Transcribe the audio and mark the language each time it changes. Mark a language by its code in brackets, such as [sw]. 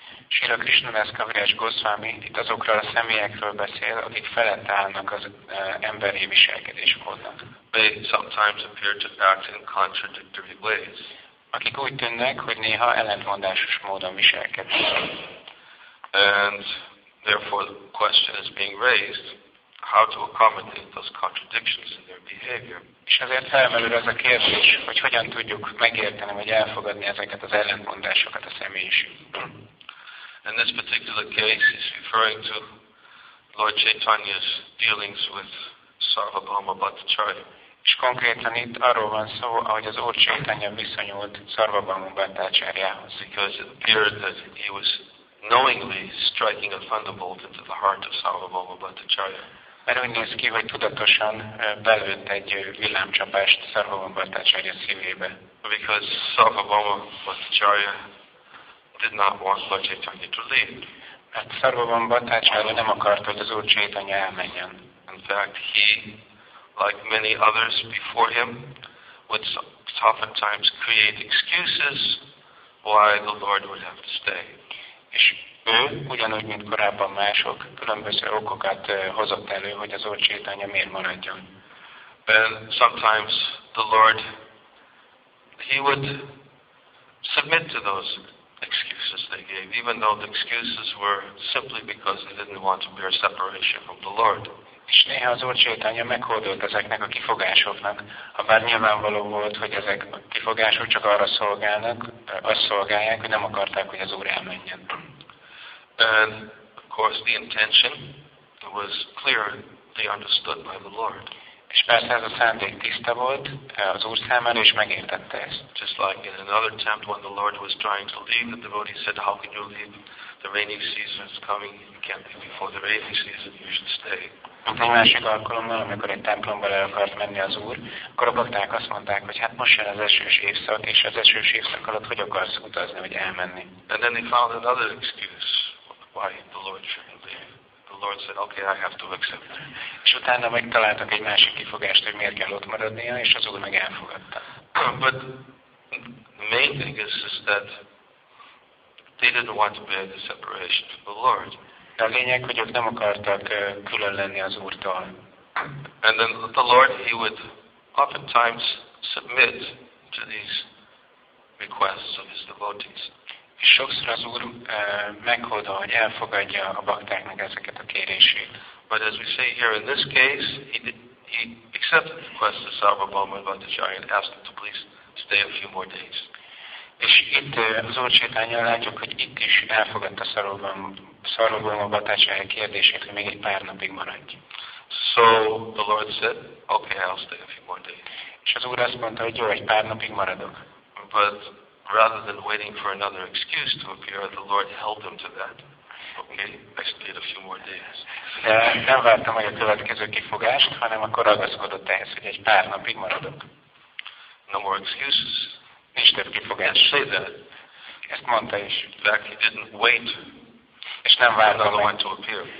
[hu] Srila Krishnadas Kaviraj Goswami itt azokról a személyekről beszél, akik felett állnak az emberi viselkedésmódnak. [en] They sometimes appear to act in contradictory ways. [hu] Akik úgy tűnnek, hogy néha ellentmondásos módon viselkednek. [en] And therefore the question is being raised, how to accommodate those contradictions in their behavior. [hu] És ezért felmerül az a kérdés, hogy hogyan tudjuk megérteni, vagy elfogadni ezeket az ellentmondásokat a személyiségben. [en] In this particular case, he's referring to Lord Chaitanya's dealings with Sarvabhauma Bhattacharya. [hu] És konkrétan itt arról van szó, ahogy az Úr Chaitanya viszonyult Sarvabhauma Bhattacharyához. [en] Because it appeared that he was knowingly striking a thunderbolt into the heart of Sarvabhauma Bhattacharya. [hu] Mert úgy néz ki, hogy tudatosan belőtt egy villámcsapást Sarvabhauma Bhattacharya szívébe. [en] Because Sarvabhauma Bhattacharya did not want Lord Chaitanya to leave. [hu] Mert Sarvabhauma Bhattacharya nem akart, hogy az Úr Chaitanya elmenjen. [en] In fact, he, like many others before him, would oftentimes create excuses why the Lord would have to stay. [hu] És ő, ugyanúgy, mint korábban mások, különböző okokat hozott elő, hogy az Úr Chaitanya miért maradjon. [en] And sometimes the Lord, he would submit to those excuses they gave, even though the excuses were simply because they didn't want to bear separation from the Lord. [hu] És néha az Úr Chaitanya meghódolt ezeknek a kifogásoknak, habár nyilvánvaló volt, hogy ezek a kifogások csak arra szolgálnak, azt szolgálják, hogy nem akarták, hogy az Úr elmenjen. [en] And of course the intention was clearly understood by the Lord. [hu] És persze ez a szándék tiszta volt az Úr számára, és megértette ezt. [en] Just like in another attempt when the Lord was trying to leave, the devotee said, how can you leave? The rainy season is coming, you can't leave before the rainy season, you should stay. [hu] Egy másik alkalommal, amikor egy templomba le akart menni az Úr, akkor a bakták azt mondták, hogy hát most jön az esős évszak, és az esős évszak alatt hogy akarsz utazni, vagy elmenni. [en] And then he found another excuse why the Lord shouldn't leave. The Lord said, okay, I have to accept. [hu] És utána megtaláltak egy másik kifogást, hogy miért kell ott maradnia, és az Úr meg elfogadta. [en] But the main thing is that they didn't want to bear the separation from the Lord. [hu] De a lényeg, hogy ők nem akartak külön lenni az Úrtól. [en] And then the Lord, he would oftentimes submit to these requests of his devotees. [hu] És sokszor az Úr meghódol, hogy elfogadja a baktáknak ezeket a kérését. [en] But as we say here in this case, he accepted the request of Sarvabhauma Bhattacharya and asked him to please stay a few more days. [hu] És Itt az Úr Csaitanyán látjuk, hogy itt is elfogadta Sarvabhauma Bhattacharya kérdését, hogy még egy pár napig maradj. [en] So the Lord said, okay, I'll stay a few more days. [hu] És az Úr azt mondta, hogy jó, egy pár napig maradok. [en] But rather than waiting for another excuse to appear, the Lord held him to that. Okay, I stayed a few more days. [hu] De nem vártam meg a következő kifogást, hanem akkor ragaszkodott ehhez, hogy egy pár napig maradok. [en] No more excuses. [hu] Nincs több kifogás. [en] Say that. [hu] Ezt mondta is. [en] That he didn't wait. [hu] És nem vártam meg. [en] To appear.